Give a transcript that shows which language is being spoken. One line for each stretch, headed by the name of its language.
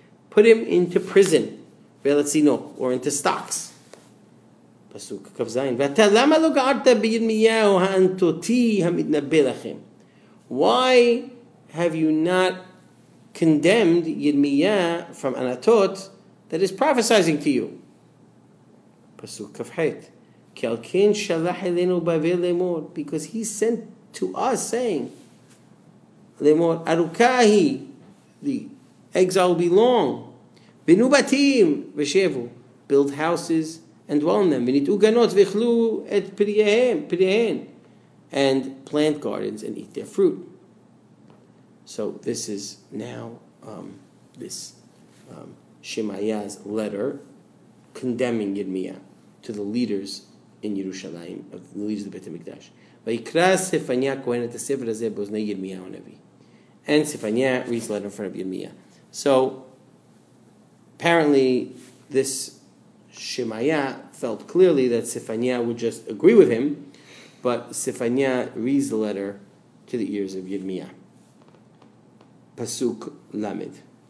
English: Put him into prison, or into stocks.
Hebrew: פסוק כ"ז, ואתה למה לא גערת בירמיהו האנטוטי המתנבא לכם?
English: Why have you not condemned Yirmiyah from Anatot that is prophesizing to you?
Hebrew: פסוק כ"ח, כי על כן שלח אלינו בבל לאמור,
English: because he sent to us saying,
Hebrew: לאמור, ארוכה היא,
English: the exile will be long,
Hebrew: בנו בתים ושבו,
English: build houses and dwell in them,
Hebrew: וניטעו גנות ואכלו את פריהן,
English: and plant gardens and eat their fruit. So this is now this Shemaiah's letter condemning Yirmiyah to the leaders in Yerushalayim, of the leaders of the Beit HaMikdash.
Hebrew: ויקרא סיפניה כהן את הספר הזה באוזני ירמיהו הנביא.
English: And Sifaniah reads the letter in front of Yirmiyah. So apparently this Shemaiah felt clearly that Sifaniah would just agree with him, but Sifaniah reads the letter to the ears of Yirmiyah. Pasuk Lamed.